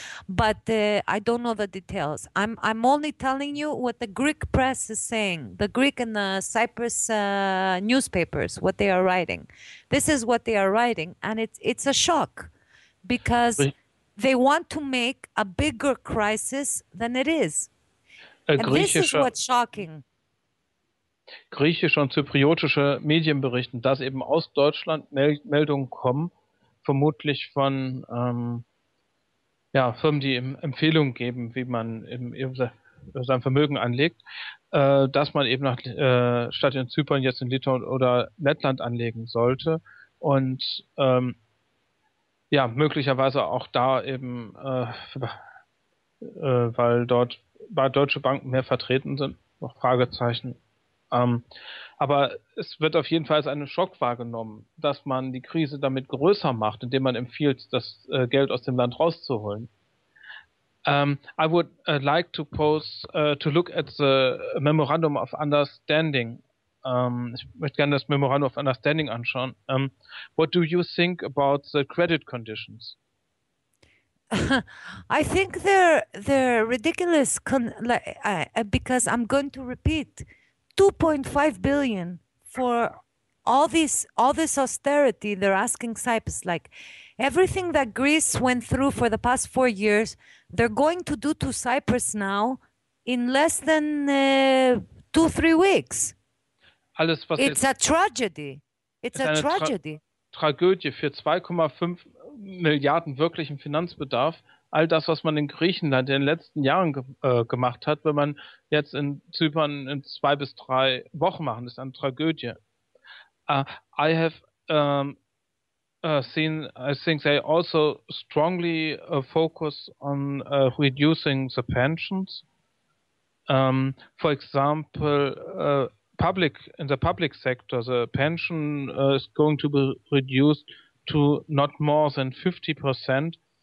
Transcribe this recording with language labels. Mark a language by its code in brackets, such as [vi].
[en] But I don't know the details. I'm only telling you what the Greek press is saying, the Greek and the Cyprus newspapers, what they are writing. This is what they are writing. And it's a shock because they want to make a bigger crisis than it is. And this is what's shocking. [de] Griechische und zypriotische Medien berichten, dass eben aus Deutschland Meldungen kommen, vermutlich von Firmen, die Empfehlungen geben, wie man sein Vermögen anlegt, dass man eben nach statt in Zypern jetzt in Litauen oder Lettland anlegen sollte und möglicherweise auch da eben, weil dort bei deutsche Banken mehr vertreten sind, noch Fragezeichen. Aber es wird auf jeden Fall als einen Schock wahrgenommen, dass man die Krise damit größer macht, indem man empfiehlt, das Geld aus dem Land rauszuholen. [en] I would like to pose to look at the Memorandum of Understanding. [de] Ich möchte gerne das Memorandum of Understanding anschauen. [en] What do you think about the credit conditions? I think they're ridiculous, because I'm going to repeat. 2.5 billion for all this austerity they're asking Cyprus, like everything that Greece went through for the past 4 years, they're going to do to Cyprus now in less than 2-3 weeks. [de] Alles, was [en] it's a tragedy. It's a tragedy. [de] Tragödie für 2,5 Milliarden wirklichen Finanzbedarf. All das, was man in Griechenland in den letzten Jahren gemacht hat, wenn man jetzt in Zypern in 2 bis 3 Wochen machen, ist eine Tragödie. [en] I have seen, I think they also strongly focus on reducing the pensions. For example, in the public sector, the pension is going to be reduced to not more than 50%.